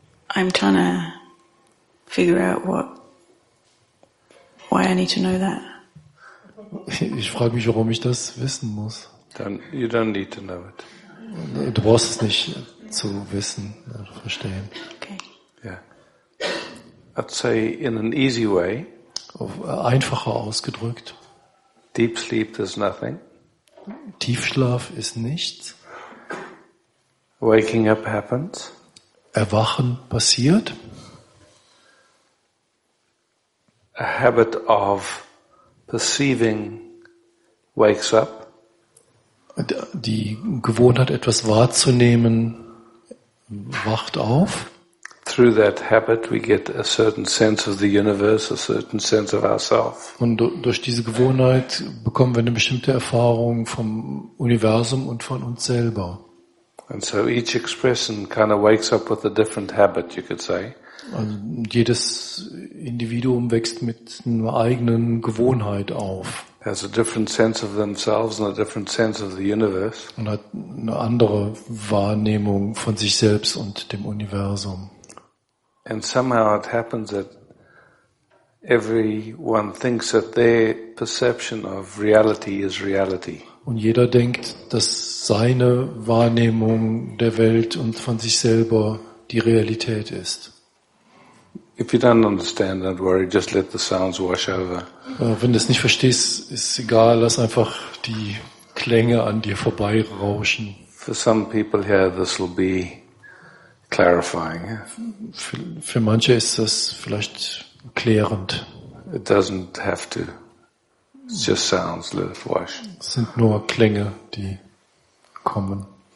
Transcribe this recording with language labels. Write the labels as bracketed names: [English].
[English] I'm trying to figure out why I need to know that. [German] Ich frage mich, warum ich das wissen muss. [English] You don't need to know it. [German] Du brauchst es nicht zu wissen oder verstehen. [English] Okay. Yeah. I'd say in an easy way. [German] Einfacher ausgedrückt. [English] Deep sleep is nothing. [German] Tiefschlaf ist nichts. [English] Waking up happens. [German] Erwachen passiert. [English] A habit of perceiving wakes up. [German] Die Gewohnheit, etwas wahrzunehmen, wacht auf. [English] Through that habit we get a certain sense of the universe, a certain sense of ourselves. [German] Und durch diese Gewohnheit bekommen wir eine bestimmte Erfahrung vom Universum und von uns selber. [English] And so each expression kind of wakes up with a different habit, you could say. [German] Und jedes Individuum wächst mit einer eigenen Gewohnheit auf. [English] Has a different sense of themselves and a different sense of the universe. [German] Und hat eine andere Wahrnehmung von sich selbst und dem Universum. [English] And somehow it happens that everyone thinks that their perception of reality is reality. [German] Und jeder denkt, dass seine Wahrnehmung der Welt und von sich selber die Realität ist. [English] If you don't understand, don't worry, just let the sounds wash over. [German] Wenn du es nicht verstehst, ist egal, lass einfach die Klänge an dir vorbeirauschen. [English] For some people here this will be clarifying. [German] Für manche ist das vielleicht klärend. [English] It doesn't have to. It just sounds a little wash. [German] Es sind nur Klänge, die kommen.